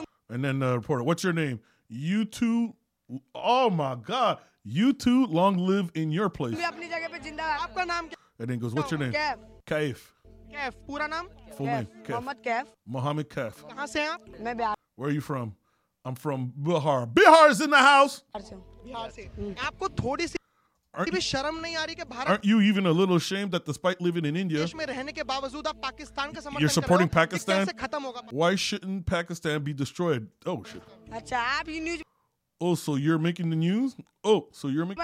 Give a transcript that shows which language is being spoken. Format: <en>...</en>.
<en>And then the reporter, what's your name? You two. Oh my God. You two, long live in your place. And then he goes, what's your name? Kaif.</en> <hi>Kaif पूरा नाम</hi> <en>full name</en> <hi>Mohammad Kaif Mohammad Kaif कहां से हैं आप मैं Bihar</hi> <en>where are you from I am from Bihar Bihar is in the house</en> <hi>Bihar से आपको थोड़ी सी शर्म नहीं आ रही कि Bharat</hi> <en>aren't you even a little ashamed that despite living in India</en> <hi>देश में रहने के बावजूद आप पाकिस्तान का समर्थन</hi> <en>you're supporting Pakistan</en> <hi>कैसे खत्म होगा</hi> <en>why shouldn't Pakistan be destroyed oh shit</en> <hi>अच्छा आप ये news</hi> <en>oh so you're making the news oh so you're making</en>